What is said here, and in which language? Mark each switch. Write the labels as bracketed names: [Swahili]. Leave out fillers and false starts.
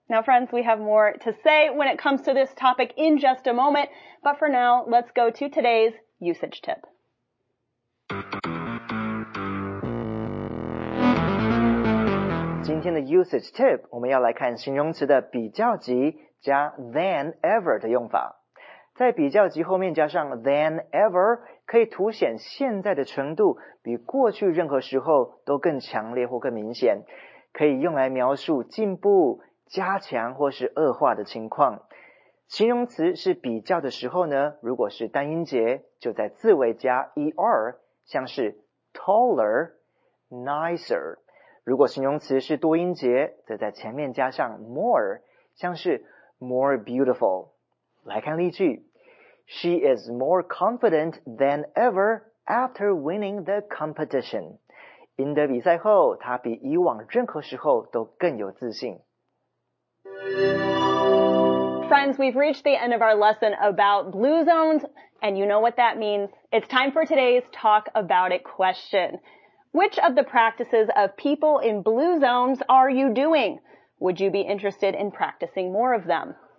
[English] Now, friends, we have more to say when it comes to this topic in just a moment. But for now, let's go to today's usage tip. Today's usage tip, we're going to look at the comparative plus than ever [Chinese] 的用法。在比较级后面加上 than ever 可以凸显现在的程度比过去任何时候都更强烈或更明显，可以用来描述进步、加强或是恶化的情况。形容词是比较的时候呢，如果是单音节就在字尾加 er， 像是 taller、 nicer。如果形容词是多音节则在前面加上 more， 像是 more beautiful。来看例句， [English] She is more confident than ever after winning the competition. [Chinese] 赢得比赛后，她比以往任何时候都更有自信。 [English] Friends, we've reached the end of our lesson about blue zones, and you know what that means. It's time for today's talk about it question. Which of the practices of people in blue zones are you doing? Would you be interested in practicing more of them?